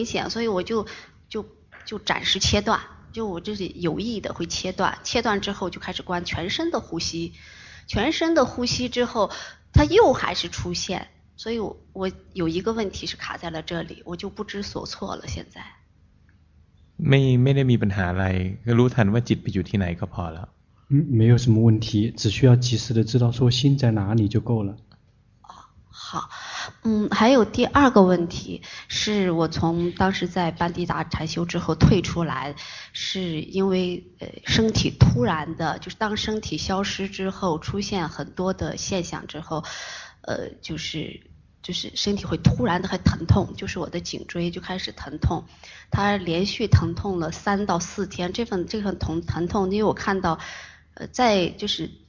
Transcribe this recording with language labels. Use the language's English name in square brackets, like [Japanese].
[Chinese] 所以我就暂时切断就我这是有意的会切断之后就开始观全身的呼吸之后它又还是出现所以我有一个问题是卡在了这里我就不知所措了现在没得 [Thai] มีปัญหาอะไรก็รู้ทันว่าจิตไปอยู่ที่ไหนก็พอแล้ว [Chinese] 没有什么问题只需要及时的知道说心在哪里就够了好还有第二个问题是我从当时在班地达禅修之后退出来是因为身体突然的就是当身体消失之后出现很多的现象之后就是身体会突然的很疼痛就是我的颈椎就开始疼痛它连续疼痛了3到4天这份疼痛因为我看到在就是